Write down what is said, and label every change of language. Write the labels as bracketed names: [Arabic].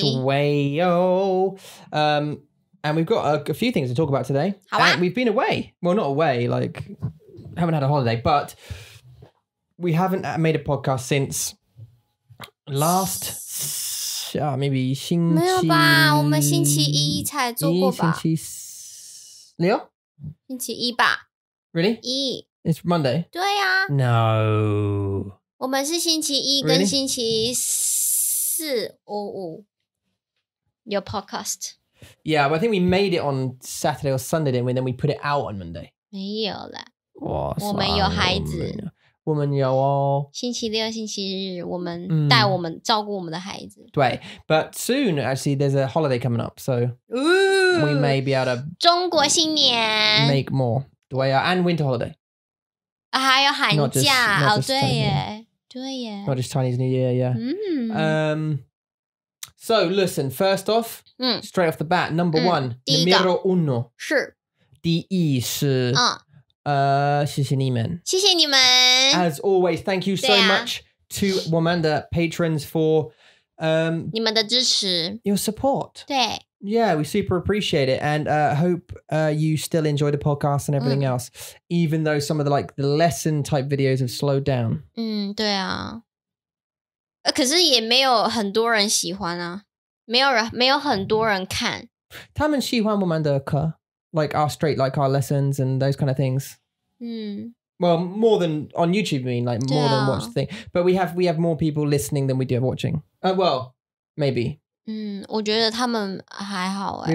[Chinese] 对哦。 [English] And we've got a few things to talk about today. [Chinese] 好啊。 [English] We've been away. Well, not away, like, haven't had a holiday, but we haven't made a podcast since last, maybe 星期。 [Chinese] 没有吧，我们星期一才做过吧。星期四。有？星期一吧。 [English] Really? [Chinese] 一。 [English] It's Monday? [Chinese] 对呀、啊。 [English] No. [Chinese] 我们是星期一跟星期四、 [English] really? 五。Your podcast. Yeah, but I think we made it on Saturday or Sunday, didn't we? Then we put it out on Monday. [Chinese] 没有啦。哇我们有孩子。我们有哦。星期六、星期日我们带我们、照顾我们的孩子。对。 [English] But soon, actually, there's a holiday coming up, so Ooh, we may be able to [Chinese] 中国新年 [English] make more. [Chinese] 对啊 [English] and winter holiday. [Chinese] 还有寒假哦、oh, 对耶对耶 [English] Not just Chinese New Year, yeah、 mm. So listen, first off、 mm. Straight off the bat, number、mm. one [Spanish] Numero uno [Chinese] 是第一是、谢谢你们谢谢你们 [English] As always, thank you so、啊、 much to Womanda patrons for、 [Chinese] 你们的支持 [English] Your support [Chinese] 对 [English] Yeah, we super appreciate it. And hope you still enjoy the podcast and everything、mm. else. Even though some of the, like, the lesson type videos have slowed down. [Chinese] 对啊。可是也没有很多人喜欢啊。没有很多人看。他们喜欢我们的课。 [English] Like our straight, like our lessons and those kind of things. Well, more than on YouTube, I mean. Like more、啊、 than watch the thing. But we have more people listening than we do watching. Well, maybe. [Chinese] 我觉得他们还好耶。